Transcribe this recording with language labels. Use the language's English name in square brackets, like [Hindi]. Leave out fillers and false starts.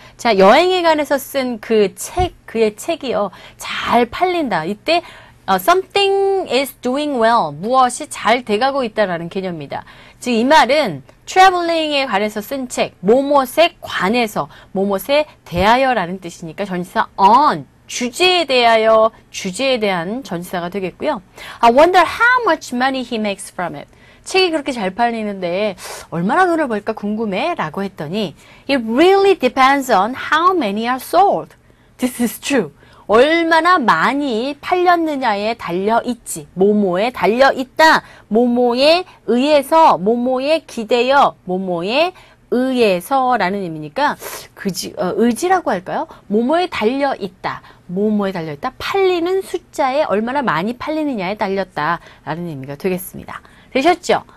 [Korean] 자 여행에 관해서 쓴 그 책, 그의 책이요 잘 팔린다 이때 [English] something is doing well [Korean] 무엇이 잘 돼가고 있다라는 개념입니다. 즉 이 말은 traveling에 관해서 쓴 책, 뭐뭇에 관해서, 뭐뭇에 대하여라는 뜻이니까 전치사 on, 주제에 대하여, 주제에 대한 전치사가 되겠고요. [English] I wonder how much money he makes from it. [Korean] 책이 그렇게 잘 팔리는데 얼마나 돈을 벌까 궁금해? 라고 했더니 [English] It really depends on how many are sold. This is true. [Korean] 얼마나 많이 팔렸느냐에 달려있지. 뭐뭐에 달려있다. 뭐뭐에 의해서, 뭐뭐에 기대어, 뭐뭐에 의해서라는 의미니까 그지, 의지라고 할까요? 뭐뭐에 달려있다. 뭐뭐에 달려있다. 팔리는 숫자에 얼마나 많이 팔리느냐에 달렸다라는 의미가 되겠습니다. 되셨죠?